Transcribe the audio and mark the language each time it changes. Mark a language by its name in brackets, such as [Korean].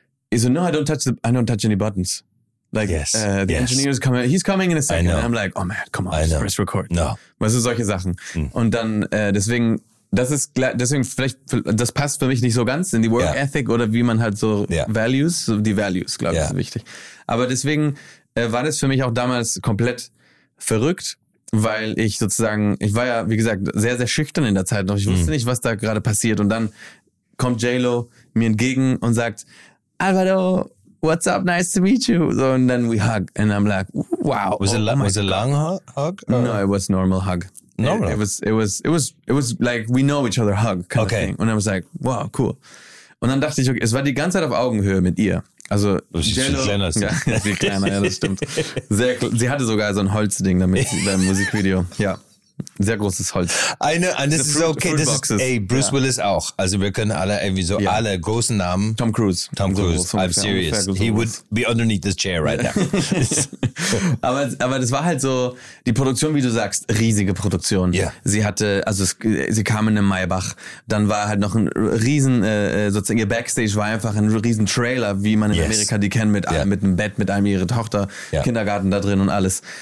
[English] He said, no, I don't touch any buttons. Like, yes. The engineer's coming. He's coming in a second. I know. And I'm like, oh man, come on, just press record. No. [German] Was sind solche Sachen? Und dann, deswegen vielleicht, das passt für mich nicht so ganz in die Work Ethic oder wie man halt so Values, so die Values, glaube ich, ist wichtig. Aber deswegen war das für mich auch damals komplett verrückt, weil ich sozusagen, ich war ja, wie gesagt, sehr, sehr schüchtern in der Zeit noch. Ich wusste nicht, was da gerade passiert. Und dann kommt J-Lo mir entgegen und sagt, Alvaro, [English] what's up, nice to meet you. So, and then we hug and I'm like, wow. Was it a long hug? No, it was normal hug. No, it was like we know each other hug kind of thing. [German] Und [English] I was like, wow, cool. [German] Und dann dachte ich, okay, es war die ganze Zeit auf Augenhöhe mit ihr. Also sie ist kleiner, das stimmt. Sie hatte sogar so ein Holzding damit beim Musikvideo. Ja. Sehr großes Holz. Eine, und das ist okay, das ist, ey, Bruce Willis auch. Also wir können alle irgendwie so alle großen Namen. Tom Cruise. [English] So I'm serious. He would be underneath this chair right now. [German] aber das war halt so, die Produktion, wie du sagst, riesige Produktion. [English] Yeah. [German] Sie hatte, also sie kam in den Maybach, dann war halt noch ein riesen, sozusagen ihr Backstage war einfach ein riesen Trailer, wie man in Amerika die kennt, mit einem Bett, mit einem ihre Tochter, Kindergarten da drin und alles.